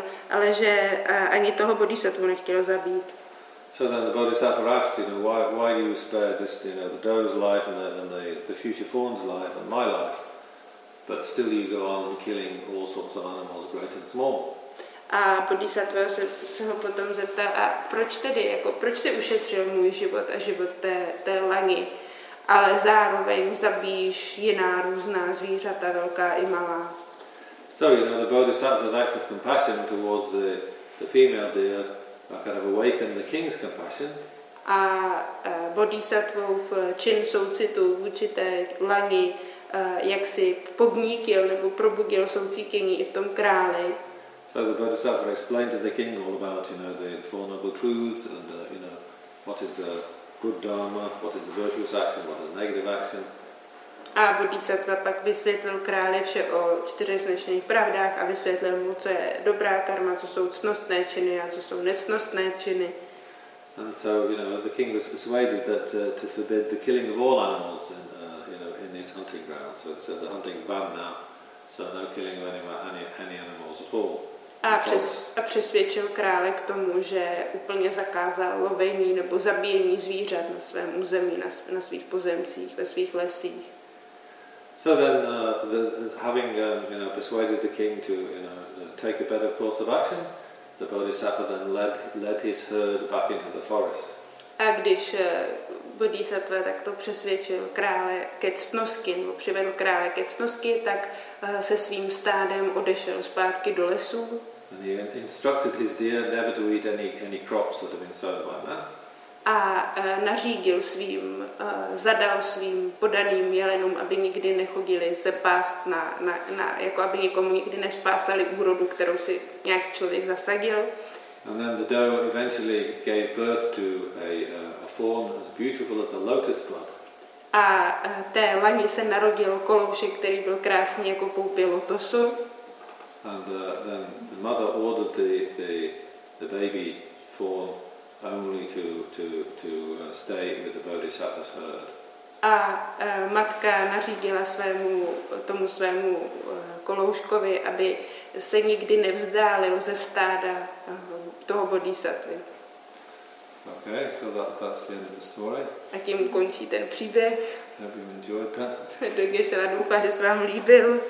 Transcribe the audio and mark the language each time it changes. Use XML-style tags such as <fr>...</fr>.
<cs>Ale že ani toho bodhisattvu nechtěl zabít.</cs> <en>So then the Bodhisattva asked, you know, why do you spare just, you know, the doe's life and the future fawn's life and my life, but still you go on killing all sorts of animals, great and small.</en> <cs>A Bodhisattva se ho potom zeptal, a proč tedy, jako proč jsi ušetřil můj život a život té lani, ale zároveň zabíjíš jiná různá zvířata, velká i malá.</cs> <en>So, you know, the Bodhisattva's act of compassion towards the female deer kind of awakened the king's compassion.</en> <cs>A bodhisattvův čin soucitu vůči té lani jaksi podnítil nebo probudil soucítění i v tom králi.</cs> <en>So the bodhisattva explained to the king all about, you know, the four noble truths and you know, what is a good dharma, what is a virtuous action, what is a negative action.</en> <cs>A bodhisattva pak vysvětlil králi vše o čtyřech nešených pravdách a vysvětlil mu, co je dobrá karma, co jsou cnostné činy a co jsou nesnostné činy.</cs> <en>And so, you know, the king was persuaded that to forbid the killing of all animals in his hunting ground. So the hunting's banned now, so no killing of any animals at all.</en> <cs>A přesvědčil krále k tomu, že úplně zakázal lovení nebo zabíjení zvířat na svém území, na svých pozemcích, ve svých lesích.</cs> <en>So then, persuaded the king to, you know, take a better course of action, the bodhisattva then led his herd back into the forest.</en> <cs>A když bodhisattva takto přesvědčil krále ke cnosti, nebo přivedl krále ke cnosti, tak se svým stádem odešel zpátky do lesů.</cs> <en>And he instructed his deer never to eat any crops that have been sown by man.</en> <cs>a nařídil svým, zadal svým podaným jelenům, aby nikdy nechodili se pást na jako aby nikomu nikdy nespásali úrodu, kterou si nějaký člověk zasadil.</cs> <en>And then the doe eventually gave birth to a fawn as beautiful as a lotus bud.</en> <cs>A té lani se narodil kolouček, který byl krásný jako poupě lotosu.</cs> <en>And then the mother ordered the baby fawn only to stay with the bodhisattva's herd.</en> <cs>A matka nařídila tomu svému kolouškovi, aby se nikdy nevzdálil ze stáda toho bodhisattvy.</cs> <en>Okay, so that's the end of the story.</en> <cs>A tím končí ten příběh.</cs> <en>Hope you enjoyed that.</en> <cs>Takže se doufám, že se vám líbil.</cs>